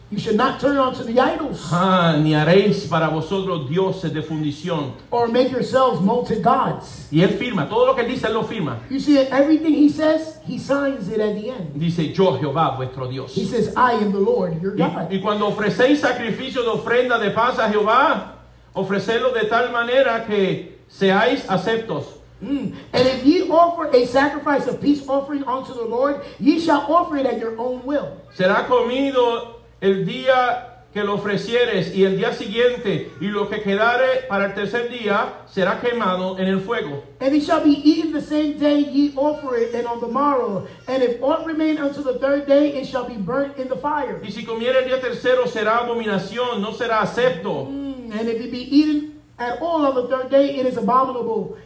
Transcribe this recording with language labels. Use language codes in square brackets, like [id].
[en] You should not turn unto the idols. [es] Ni haréis para vosotros dioses de fundición. [en] Or make yourselves molten gods. [es] Y él firma. Todo lo que dice, él lo firma. [en] You see, everything he says, he signs it at the end. [es] Dice, yo Jehová, vuestro Dios. [en] He says, I am the Lord, your God. [es] Y cuando ofrecéis sacrificio de ofrenda de paz a Jehová, ofrecedlo de tal manera que seáis aceptos. [en] And if ye offer a sacrifice of peace offering unto the Lord, ye shall offer it at your own will. [es] Será comido el día que lo ofrecieres y el día siguiente y lo que quedare para el tercer día será quemado en el fuego. [en] And it shall be eaten the same day ye offer it and on the morrow. And if aught remain unto the third day, it shall be burnt in the fire. [es] Y si comiere el día tercero será abominación, no será acepto. [en] And if it be eaten at all on the third day, it is abominable.